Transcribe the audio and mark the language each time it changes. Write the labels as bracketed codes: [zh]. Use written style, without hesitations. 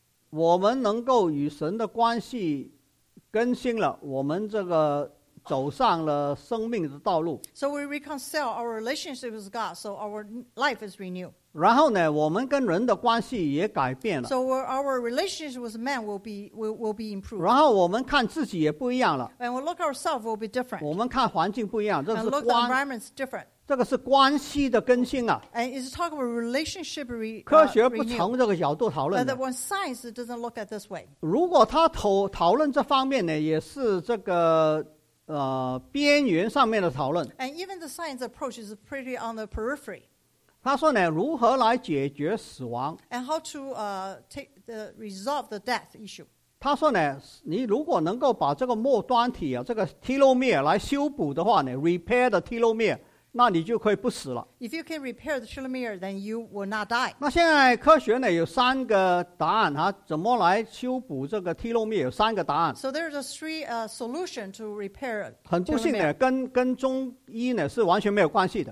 [zh] 我们能够与神的关系更新了，我们这个走上了生命的道路。 [en] So we reconcile our relationship with God, so our life is renewed. [zh] 然后呢，我们跟人的关系也改变了。 [en] So our relationship with man will be improved. [zh] 然后我们看自己也不一样了。 [en] And we look ourselves will be different. [zh] 我们看环境不一样，这是关。 [en] And the environment is different. [zh] 这个是关系的更新啊。 [en] And it's talk about relationship renew. [zh] 科学不从这个角度讨论。 [en] But when science doesn't look at this way. [zh] 如果他讨论这方面呢，也是这个。边缘上面的讨论。 [en] And even the science approach is pretty on the periphery. [zh] 他说呢，如何来解决死亡 [en] ？And how to resolve the death issue？ [zh] 他说呢，你如果能够把这个末端体啊，这个 telomere 来修补的话呢 ， repair the telomere，那你就可以不死了。 [en] If you can repair the telomere, then you will not die. [zh] 那现在科学呢有三个答案哈、啊，怎么来修补这个 telomere？有三个答案。 [en] So there's a three solution to repair. [zh] 很不幸呢，跟中医呢是完全没有关系的。